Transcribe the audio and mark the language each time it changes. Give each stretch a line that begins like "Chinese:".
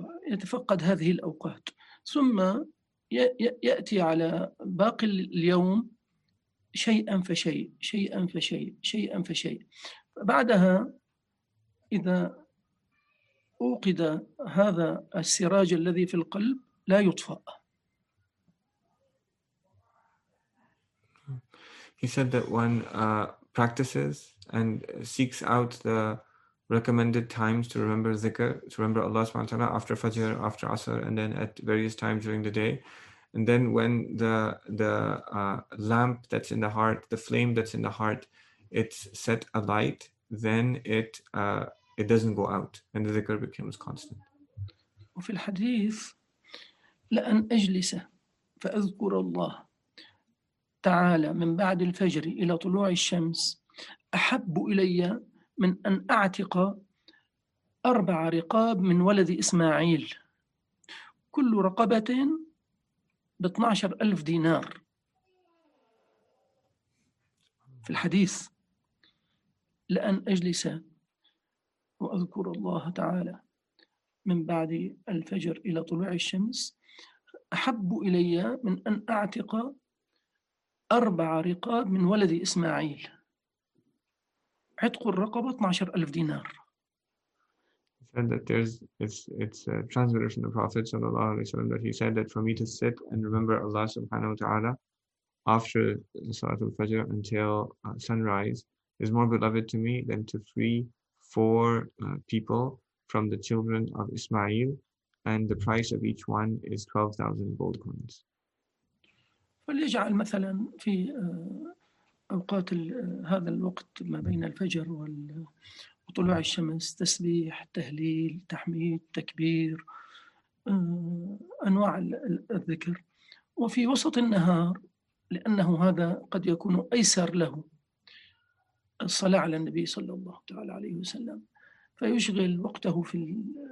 Arabic: يتفقد هذه الأوقات ثم يأتي على باقي اليوم شيئا فشيء شيئا فشيء شيئا فشيء بعدها إذا أوقد هذا السراج الذي في القلب لا يطفأ.
English: He said that one practices and seeks out the recommended times to remember zikr, to remember Allah subhanahu wa ta'ala after Fajr, after Asr, and then at various times during the day. And then when the lamp that's in the heart, the flame that's in the heart, it's set alight, then it doesn't go out and the dhikr becomes constant.
Arabic: وفي الحديث لأن أجلس فأذكر الله تعالى من بعد الفجر إلى طلوع الشمس أحب إلي من أن أعتق أربع رقاب من ولد إسماعيل كل رقبة ب 12,000 دينار في الحديث لأن أجلس وأذكر الله تعالى من بعد الفجر إلى طلوع الشمس أحب إلي من أن أعتق أربع رقاب من ولد إسماعيل عتق الرقبة 12,000 دينار.
English: He said that it's a transmitter from the Prophet sallallahu alaihi wasallam that he said that for me to sit and remember Allah subhanahu wa ta'ala after the Salat al-Fajr until sunrise is more beloved to me than to free 4 people from the children of Ismail, and the price of each one is 12,000 gold coins.
Arabic: فليجعل مثلا في أوقات هذا الوقت ما بين الفجر وطلوع الشمس تسبيح تهليل تحميد تكبير أنواع الذكر وفي وسط النهار لأنه هذا قد يكون أيسر له الصلاة على النبي صلى الله تعالى عليه وسلم فيشغل وقته في